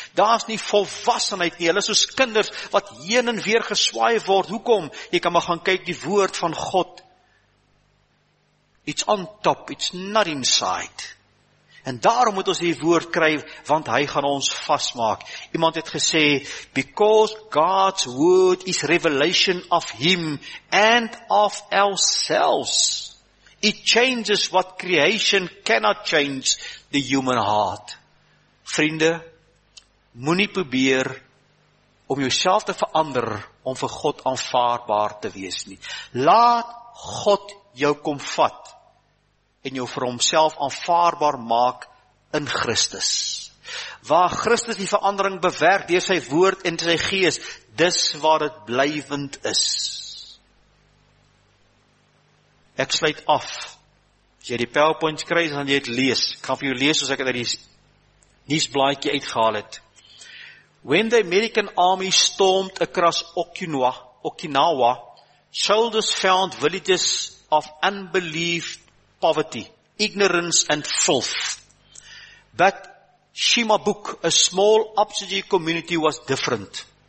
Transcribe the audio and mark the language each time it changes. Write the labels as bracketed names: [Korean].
[Afrikaans] Daar is nie volwassenheid nie. Hulle is soos kinders wat heen en weer geswaai word. Hoekom? Jy kan maar gaan kyk die woord van God. [English] It's on top, it's not inside. [Afrikaans] En daarom moet ons die woord kry, want hy gaan ons vasmaak. Iemand het gesê, [English] because God's word is revelation of him and of ourselves. It changes what creation cannot change, the human heart. [Afrikaans] Vriende, moenie probeer om jouself te verander, om vir God aanvaarbaar te wees nie. Laat God jou kom vat en jou vir homself aanvaarbaar maak in Christus. Waar Christus die verandering bewerk deur sy woord en sy gees, dis waar het blywend is. Ek sluit af. As jy die PowerPoint kry, dan jy het lees. Ek kan vir jou lees, soos ek het uit die nuusblaadjie uitgehaal het. [English] When the American army stormed across Okinawa, soldiers found villages of unbelief, poverty, ignorance and filth. But Shimabuk, a small upstate community, was different.